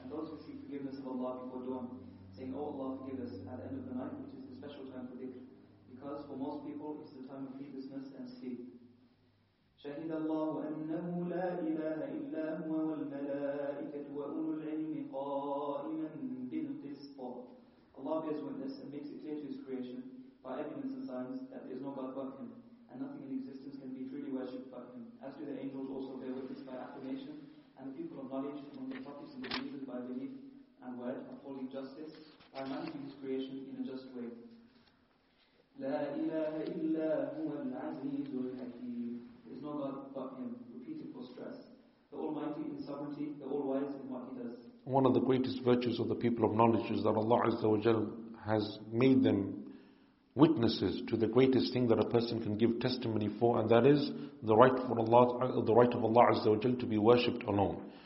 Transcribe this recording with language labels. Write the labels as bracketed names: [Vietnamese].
[English] And those who seek forgiveness of Allah before dawn, saying, "Oh Allah, forgive us," at the end of the night, which is the special time for dhikr. Because for most people, it's the time of heedlessness and sleep. [Arabic] شهد الله أنه لا إله إلا هو والملائكة وأولو العلم قائما بالقسط. [English] Allah bears witness and makes it clear to His creation by evidence and signs that there is no God but Him, and nothing in existence can be truly worshipped but Him. As do the angels also bear witness by affirmation, and the people of knowledge among the prophets and believers by belief and word upholding justice by managing His creation in a just way. [Arabic] لا إله إلا هو العزيز الحكيم. [English] There is no God but Him, repeated for stress. The Almighty in sovereignty, the All-Wise in what He does. One of the greatest virtues of the people of knowledge is that Allah Azza wa Jal has made them witnesses to the greatest thing that a person can give testimony for, and that is the right for Allah, the right of Allah Azza wa Jal to be worshipped alone.